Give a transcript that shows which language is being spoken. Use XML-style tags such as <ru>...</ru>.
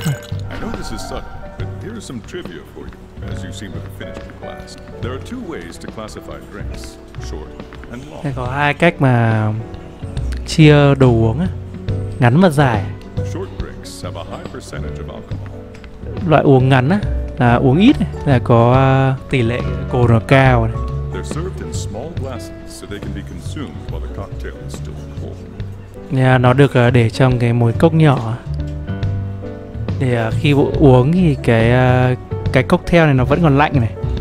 <en>I know this is subtle, but here is some trivia for you. As you seem to have finished your class, there are two ways to classify drinks, short and long.</en> <vi>Có hai cách mà chia đồ uống á, ngắn và dài.</vi> <en>Short drinks have a high percentage of alcohol.</en> <vi>Loại uống ngắn á là uống ít này, là có tỷ lệ cồn cao này.</vi> <en>They're served in small glasses so they can be consumed while the cocktail is still cold.</en> <vi>Nha, nó được để trong cái mối cốc nhỏ. Để khi uống thì cái cocktail này nó vẫn còn lạnh này.</vi>